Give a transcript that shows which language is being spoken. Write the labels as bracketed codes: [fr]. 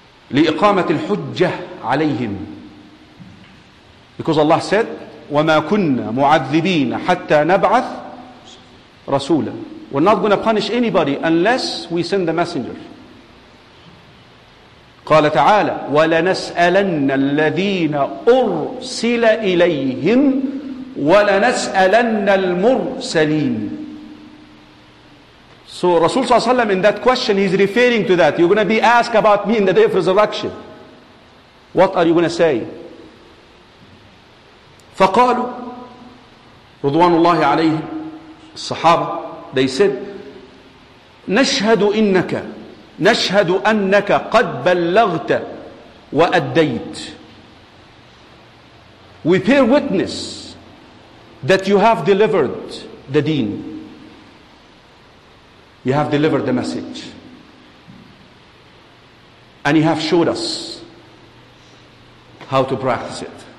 [ar] لِإِقَامَةِ الْحُجَّةِ عَلَيْهِمْ. [en] Because Allah said, [ar] وَمَا كُنَّا مُعَذِّبِينَ حَتَّى نَبْعَثْ رَسُولًا. [en] We're not going to punish anybody unless we send the messenger. [ar] قال تعالى ولنسألن الذين أرسل إليهم ولنسألن المرسلين. [en] So Rasul صلى الله عليه وسلم, in that question, he's referring to that. You're going to be asked about me in the day of resurrection. What are you going to say? [ar] فقالوا رضوان الله عليهم, الصحابة, [en] they said, [ar] نشهد إنك, نشهد أنك قد بلغت وأديت. [en] We bear witness that you have delivered the deen. You have delivered the message. And you have showed us how to practice it.